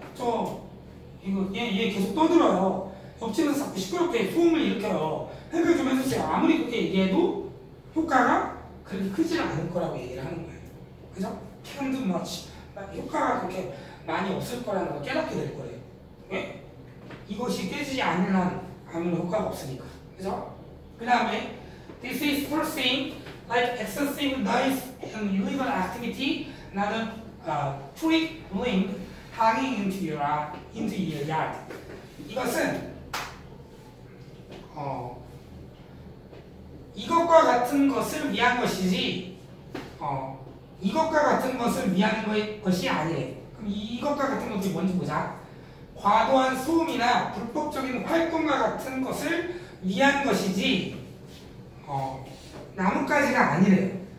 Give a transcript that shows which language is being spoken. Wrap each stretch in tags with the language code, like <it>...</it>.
<ko>저 이거 얘 계속 떠들어요. 옆집에서 자꾸 시끄럽게 소음을 일으켜요. 해결 좀 해주세요. 아무리 그렇게 얘기해도 효과가 그렇게 크지는 않을 거라고 얘기를 하는 거예요. 그죠?</ko> <en>Can't do much.</en> <ko>효과가 그렇게 많이 없을 거라는 걸 깨닫게 될 거예요. 네? 이것이 깨지지 않는 한 아무런 효과가 없으니까. 그죠? 그 다음에</ko> <en>This is first thing like excessive noise and illegal activity not a twig limb hanging into your yard.</en> <ko>이것은 이것과 같은 것을 위한 것이지 이것과 같은 것을 위한 것이 아니래. 그럼 이것과 같은 것이 뭔지 보자. 과도한 소음이나 불법적인 활동과 같은 것을 위한 것이지 나뭇가지가 아니래.</ko>